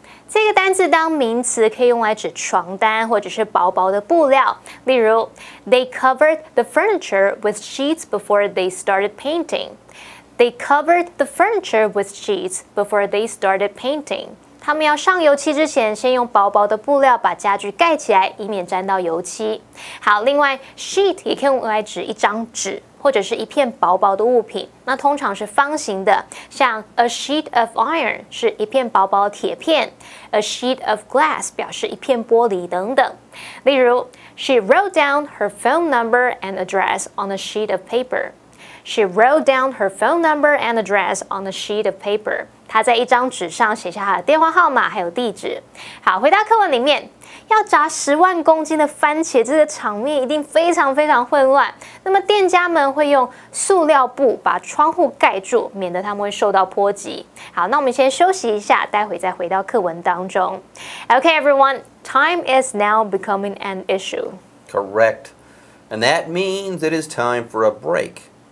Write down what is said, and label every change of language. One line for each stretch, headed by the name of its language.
Chinese: 这个单字当名词可以用来指床单或者是薄薄的布料。例如
English: ，They covered the furniture with sheets before they started painting. They covered the furniture with sheets before they started painting.
Chinese: 他们要上油漆之前，先用薄薄的布料把家具盖起来，以免沾到油漆。好，另外 ，sheet 也可以用来指一张纸或者是一片薄薄的物品。那通常是方形的，像
English: a sheet of iron
Chinese: 是一片薄薄的铁片 ，
English: a sheet of glass
Chinese: 表示一片玻璃等等。例如
English: ，She wrote down her phone number and address on a sheet of paper. She wrote down her phone number and address on a sheet of paper.
Chinese: 她在一张纸上写下她的电话号码还有地址。好，回到课文里面。要炸10万公斤的番茄，这个场面一定非常非常混乱。那么店家们会用塑料布把窗户盖住，免得他们会受到波及。好，那我们先休息一下，待会再回到课文当中。
English: Okay, everyone, time is now becoming an issue. Correct. And that means it is time for a break.